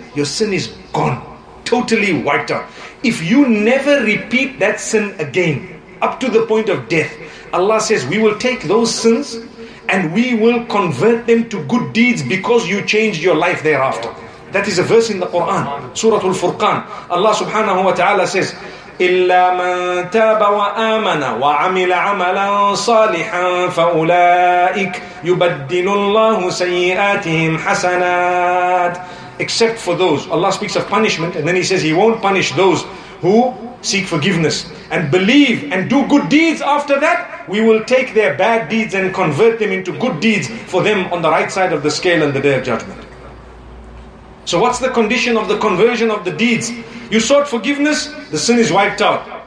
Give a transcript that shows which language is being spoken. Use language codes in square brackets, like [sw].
[en] Your sin is gone. Totally wiped out. If you never repeat that sin again, up to the point of death, Allah says, we will take those sins and we will convert them to good deeds because you changed your life thereafter. That is a verse in the Quran, Surah Al-Furqan. Allah subhanahu wa ta'ala says, [ar] إِلَّا مَن تَابَ وَآمَنَ وَعَمِلَ عَمَلًا صَالِحًا فَأُولَٰئِكَ يُبَدِّلُ اللَّهُ سَيِّئَاتِهِمْ حَسَنَاتٍ. [en] Except for those. Allah speaks of punishment, and then He says He won't punish those who seek forgiveness and believe and do good deeds. After that, we will take their bad deeds and convert them into good deeds for them on the right side of the scale on the day of judgment. So what's the condition of the conversion of the deeds? You sought forgiveness, the sin is wiped out.